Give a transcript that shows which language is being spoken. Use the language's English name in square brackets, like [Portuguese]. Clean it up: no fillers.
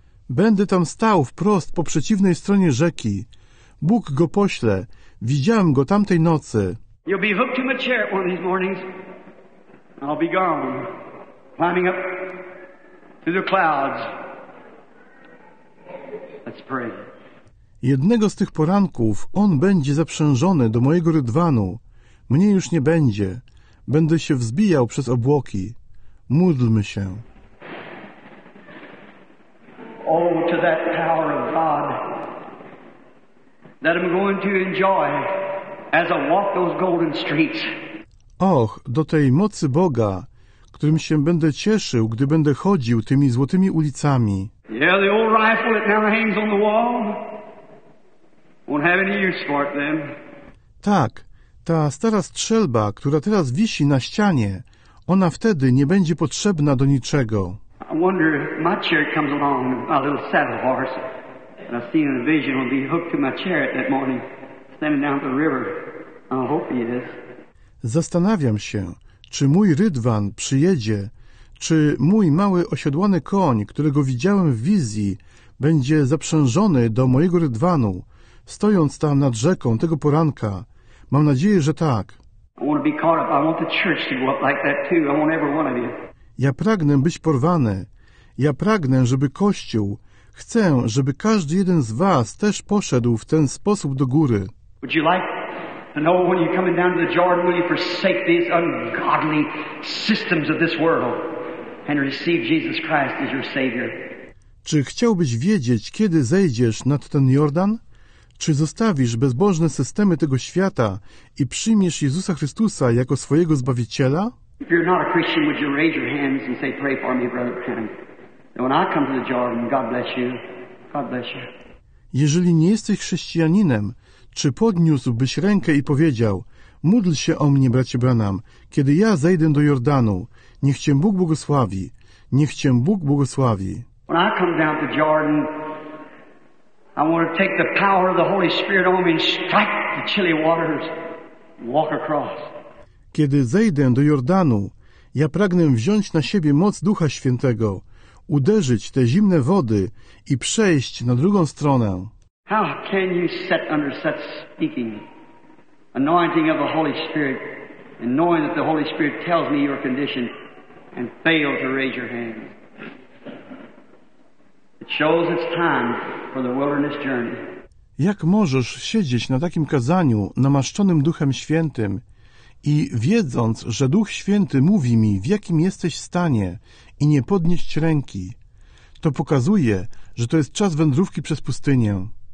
[Polish] Będę tam stał wprost po przeciwnej stronie rzeki. Bóg go pośle. Widziałem go tamtej nocy. [English] You'll be hooked to my chair one of these mornings. I'll be gone, climbing up to the clouds. Let's pray. [Polish] Jednego z tych poranków on będzie zaprzężony do mojego rydwanu. Mnie już nie będzie. Będę się wzbijał przez obłoki. Módlmy się. [English] Oh, to that power of God that I'm going to enjoy as I walk those golden streets. [Polish] Och, do tej mocy Boga, którym się będę cieszył, gdy będę chodził tymi złotymi ulicami. [English] Yeah, the old rifle that now hangs on the wall won't have any use for it then. [Polish] Tak, ta stara strzelba, która teraz wisi na ścianie, ona wtedy nie będzie potrzebna do niczego. [English] I wonder if my chariot comes along, my little saddle horse that I've seen in a vision will be hooked to my chariot that morning, standing down the river. I hope he is. [Polish] Zastanawiam się, czy mój rydwan przyjedzie, czy mój mały osiodłany koń, którego widziałem w wizji, będzie zaprzężony do mojego rydwanu, stojąc tam nad rzeką tego poranka. Mam nadzieję, że tak. [English] I want to be caught up. I want the church to go up like that too. I want every one of you. [Polish] Ja pragnę być porwany. Ja pragnę, żeby Kościół, chcę, żeby każdy jeden z was też poszedł w ten sposób do góry. [English] Would you like to know when you're coming down to the Jordan, will you forsake these ungodly systems of this world and receive Jesus Christ as your Savior? [Polish] Czy chciałbyś wiedzieć, kiedy zejdziesz nad ten Jordan? Czy zostawisz bezbożne systemy tego świata i przyjmiesz Jezusa Chrystusa jako swojego Zbawiciela? [English] If you're not a Christian, would you raise your hands and say, pray for me, brother Ken. And when I come to the Jordan, God bless you. God bless you. [Polish] Jeżeli nie jesteś chrześcijaninem, czy podniósłbyś rękę i powiedział, módl się o mnie, bracie Branham, kiedy ja zejdę do Jordanu, niech cię Bóg błogosławi. Niech cię Bóg błogosławi. [English] When I come down to Jordan, I want to take the power of the Holy Spirit on me and strike the chilly waters, walk across. [Polish] Kiedy zejdę do Jordanu, ja pragnę wziąć na siebie moc Ducha Świętego, uderzyć te zimne wody i przejść na drugą stronę. [English] How can you sit under such speaking, anointing of the Holy Spirit, and knowing that the Holy Spirit tells me your condition, and fail to raise your hand? It shows it's time for the wilderness journey. [Polish] Jak możesz siedzieć na takim kazaniu, namaszczonym Duchem Świętym, i wiedząc, że Duch Święty mówi mi, w jakim jesteś stanie i nie podnieść ręki, to pokazuje, że to jest czas wędrówki przez pustynię.